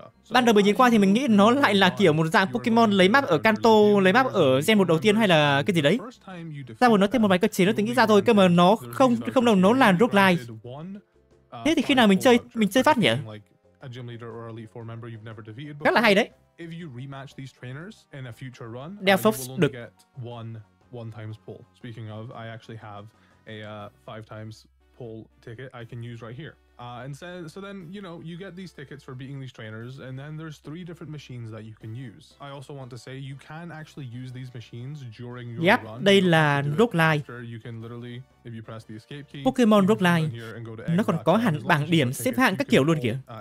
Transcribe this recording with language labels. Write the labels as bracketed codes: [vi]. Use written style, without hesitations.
[vi] Ban đầu mình nhìn qua thì mình nghĩ nó lại là kiểu một dạng Pokemon lấy map ở Kanto, lấy map ở gen 1 đầu tiên hay là cái gì đấy. Sao mà nó thêm một vài cơ chế nữa tính nghĩ ra thôi, cơ mà nó không đồng nó là roguelike. Thế thì khi nào mình chơi phát nhỉ? [en] A gym leader or elite four member you've never defeated before. [vi] Rất là hay đấy. [en] If you rematch these trainers in a future run, Delphox you will only [vi] được. [en] Get one times pull. Speaking of, I actually have a five times pull ticket I can use right here. So then, you know, you get these tickets for beating these trainers, and then there's three different machines that you can use. I also want to say you can actually use these machines during your yep, run. [vi] Đây là roguelike. [en] You can literally, if you press the escape key, Pokemon roguelike. [vi] Nó còn có hẳn bảng điểm xếp hạng các kiểu luôn kìa.